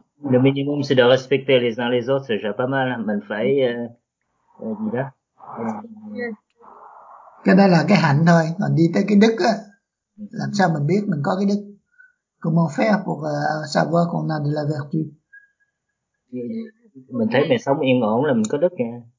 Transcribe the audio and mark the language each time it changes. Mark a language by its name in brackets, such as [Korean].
[French] Le minimum c'est de respecter les uns les autres, c'est pas mal. [Vietnamese] Mình phải gì đó. Cái đó là cái hạnh thôi, còn đi tới cái đức á, làm sao mình biết mình có cái đức? [French] Comment faire pour savoir qu'on a de la vertu? [Vietnamese] Mình thấy mình sống yên ổn là mình có đức nha.